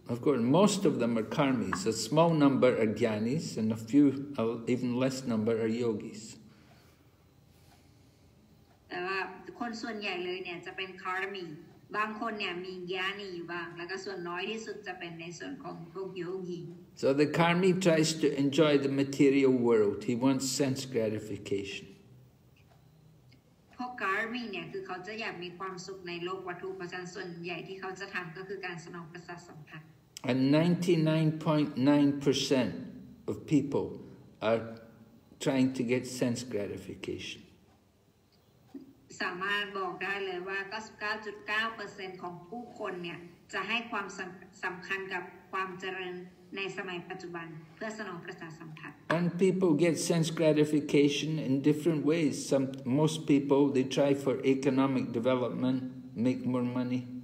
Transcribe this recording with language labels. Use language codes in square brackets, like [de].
[en] Of course, most of them are karmis. A small number are gyanis, and a few, even less number are yogis. [th] คนส่วนใหญ่เลยเนี่ยจะเป็น karmiบางคนเนี่ยมีญาณีอยู่บ้างแล้วก็ส่วนน้อยที่สุดจะเป็นในส่วนของพวกโยคี [en] So the karmi tries to enjoy the material world. He wants sense gratification. [th] พวก karmi เนี่ยคือเขาจะอยากมีความสุขในโลกวัตถุเพราะฉะนั้นส่วนใหญ่ที่เขาจะทำก็คือการสนองประสาทสัมผัส [en] And 99.9% of people are trying to get sense gratification. [th] สามารถบอกได้เลยว่า 99.9% ของผู้คนเนี่ยจะให้ความสำคัญกับความเจริญในสมัยปัจจุบันเพื่อสนองประสาทสัมผัส [en] And people get sense gratification in different ways. Most people they try for economic development, make more money.